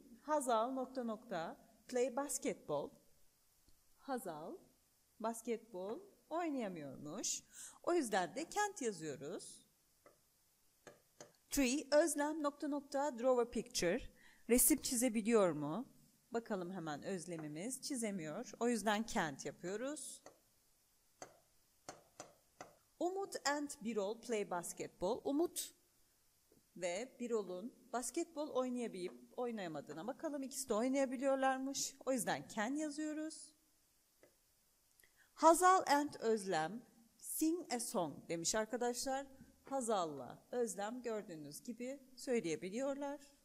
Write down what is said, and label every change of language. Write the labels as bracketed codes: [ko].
[tr] Hazal nokta nokta [en] play basketball. [tr] Hazal basketbol oynayamıyormuş. O yüzden de can't yazıyoruz. 3. Özlem nokta nokta [en] draw a picture. [tr] Resim çizebiliyor mu? Bakalım hemen Özlemimiz. Çizemiyor. O yüzden can't yapıyoruz. [en] Umut and Birol play basketball. [tr] Umut ve Birol'un basketbol oynayabilip oynayamadığına bakalım. İkisi de oynayabiliyorlarmış. O yüzden can yazıyoruz. [en] Hazal and Özlem sing a song [tr] demiş arkadaşlar. Hazal'la Özlem gördüğünüz gibi söyleyebiliyorlar.